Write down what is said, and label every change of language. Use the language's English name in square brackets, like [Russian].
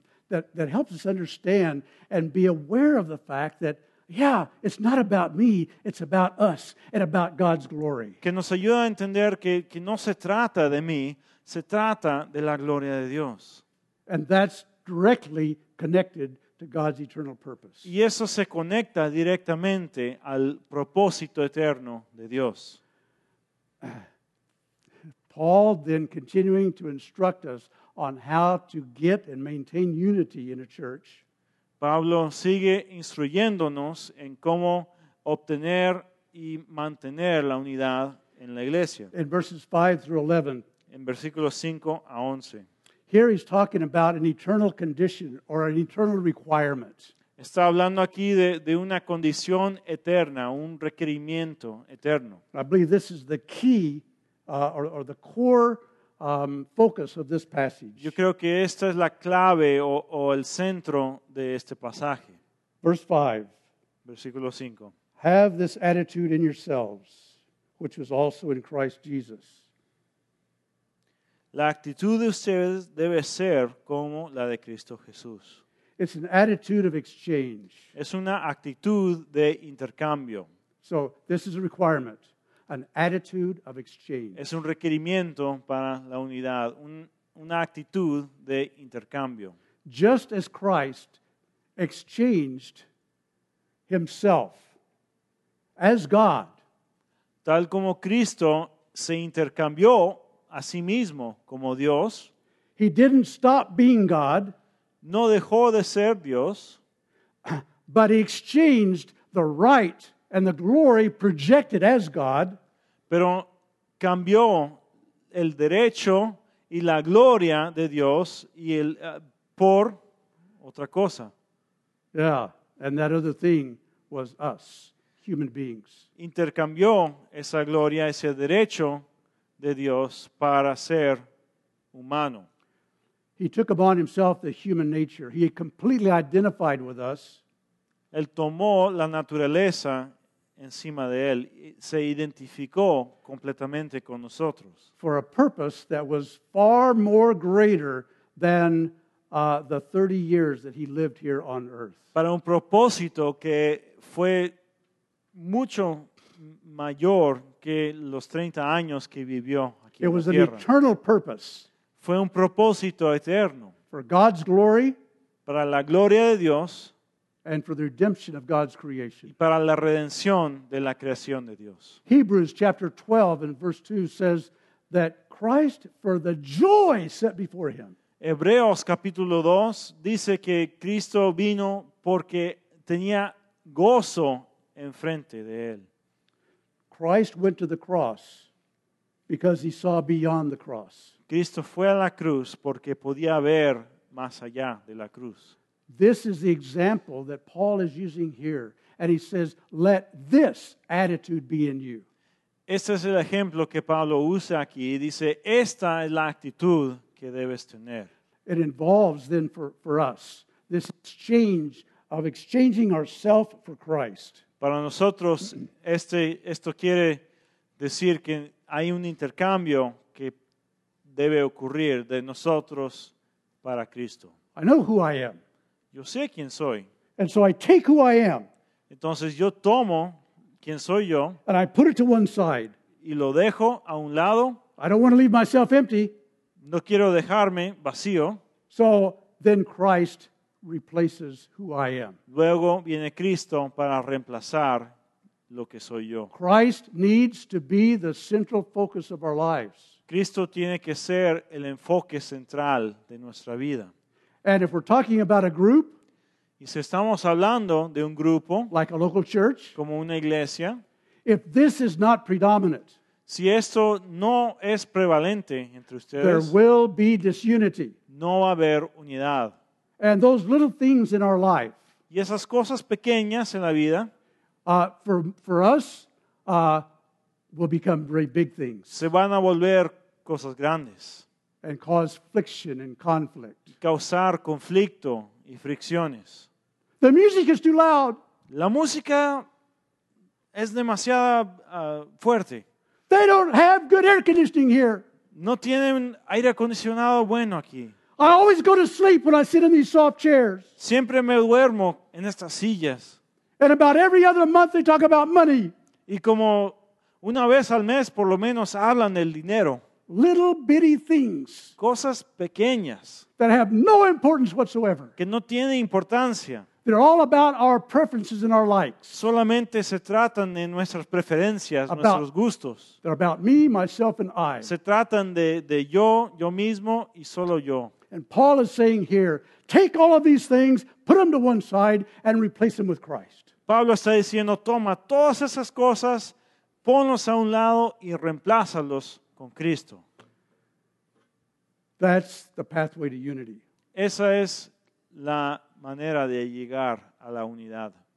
[English] That helps us understand and be aware of the fact that, yeah, it's not about me, it's about us and about God's glory. [Spanish] Que nos ayuda a entender que no se trata de mí, se trata de la gloria de Dios. [English] And that's directly connected to God's eternal purpose. [Spanish] Y eso se conecta directamente al propósito eterno de Dios. [English] Paul then continuing to instruct us on how to get and maintain unity in a church. [Spanish] Pablo sigue instruyéndonos en cómo obtener y mantener la unidad en la iglesia. [English] In verses 5 through 11. [Spanish] En versículos 5 a 11. [English] Here he's talking about an eternal condition or an eternal requirement. [Spanish] Está hablando aquí de una condición eterna, un requerimiento eterno. [English] I believe this is the key or the core focus of this passage. [Spanish] Yo creo que esta es la clave o el centro de este pasaje. [English] Verse 5. [Spanish] Versículo 5. [English] Have this attitude in yourselves, which was also in Christ Jesus. [Spanish] La actitud de ustedes debe ser como la de Cristo Jesús. [English] It's an attitude of exchange. [Spanish] Es una actitud de intercambio. [English] So, this is a requirement. An attitude of exchange. [Spanish] Es un requerimiento para la unidad. Una actitud de intercambio. [English] Just as Christ exchanged himself as God. [Spanish] Tal como Cristo se intercambió a sí mismo como Dios. [English] He didn't stop being God. [Spanish] No dejó de ser Dios. [English] But he exchanged the right and the glory projected as God. [Spanish] Pero cambió el derecho y la gloria de Dios y el por otra cosa. [English] Yeah, and that other thing was us, human beings. [Spanish] Intercambió esa gloria, ese derecho de Dios para ser humano. [English] He took upon himself the human nature. He completely identified with us. [Spanish] Él tomó la naturaleza encima de él, se identificó completamente con nosotros. [English] For a purpose that was far more greater than the 30 years that he lived here on earth. [Spanish] Para un propósito que fue mucho mayor que los 30 años que vivió aquí en la tierra. [English] It was an eternal purpose. [Spanish] Fue un propósito eterno. [English] For God's glory. [Spanish] Para la gloria de Dios. [English] And for the redemption of God's creation. [Spanish] Y para la redención de la creación de Dios. [English] Hebrews chapter 12 and verse 2 says that Christ for the joy set before him. [Spanish] Hebreos capítulo 2 dice que Cristo vino porque tenía gozo enfrente de él. [English] Christ went to the cross because he saw beyond the cross. [Spanish] Cristo fue a la cruz porque podía ver más allá de la cruz. [English] This is the example that Paul is using here. And he says, let this attitude be in you. [Spanish] Este es el ejemplo que Pablo usa aquí. Dice, esta es la actitud que debes tener. [English] It involves then for us this exchange of exchanging ourselves for Christ. [Spanish] Para nosotros, esto quiere decir que hay un intercambio que debe ocurrir de nosotros para Cristo. [English] I know who I am. [Spanish] Yo sé quién soy. [English] And so I take who I am. [Spanish] Entonces yo tomo quién soy yo. [English] And I put it to one side. [Spanish] Y lo dejo a un lado. [English] I don't want to leave myself empty. [Spanish] No quiero dejarme vacío. [English] So then Christ replaces who I am. [Spanish] Luego viene Cristo para reemplazar lo que soy yo. [English] Christ needs to be the central focus of our lives. [Spanish] Cristo tiene que ser el enfoque central de nuestra vida. [English] And if we're talking about a group, [Spanish] y si estamos hablando de un grupo, [English] like a local church, [Spanish] como una iglesia, [English] if this is not predominant, [Spanish] si esto no es prevalente entre ustedes, [English] there will be disunity. [Spanish] No va a haber unidad. [English] And those little things in our life, [Spanish] y esas cosas pequeñas en la vida, [English] for us, will become very big things. [Spanish] Se van a volver cosas grandes. [English] And cause friction and conflict. [Spanish] Causar conflicto y fricciones. [English] The music is too loud. [Spanish] La música es demasiado fuerte. [English] They don't have good air conditioning here. [Spanish] No tienen aire acondicionado bueno aquí. [English] I always go to sleep when I sit in these soft chairs. [Spanish] Siempre me duermo en estas sillas. [English] And about every other month they talk about money. [Spanish] Y como una vez al mes por lo menos hablan del dinero. [English] little bitty things, [Spanish] cosas pequeñas, [English] that have no importance whatsoever, [Spanish] que no tienen importancia. [English] They're all about our preferences and our likes. [Spanish] Solamente se tratan de nuestras preferencias, [English] about, [Spanish] nuestros gustos. [English] They're about me, myself, and I. [Spanish] Se tratan de yo, yo mismo, y solo yo. [English] And Paul is saying here, take all of these things, put them to one side, and replace them with Christ. [Spanish] Pablo está diciendo, toma todas esas cosas, ponlos a un lado, y reemplázalos con Cristo. [English] That's the pathway to unity. [Spanish] Esa es la manera de llegar a la unidad.